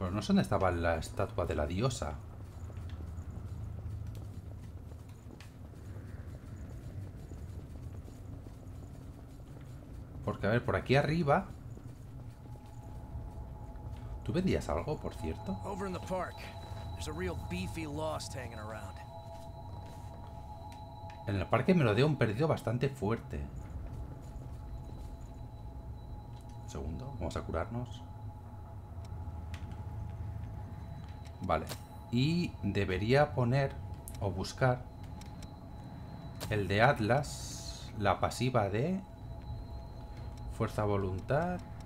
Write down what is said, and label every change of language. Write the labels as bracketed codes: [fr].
[es] ¿Dónde estaba la estatua de la diosa? Porque, a ver, por aquí arriba. ¿Tú vendías algo, por cierto? [en] Over in the park, there's a real beefy lost hanging around. [es] En el parque me lo dio un perdido bastante fuerte. Un segundo, vamos a curarnos. Vale, y debería poner o buscar el de Atlas, la pasiva de fuerza voluntad.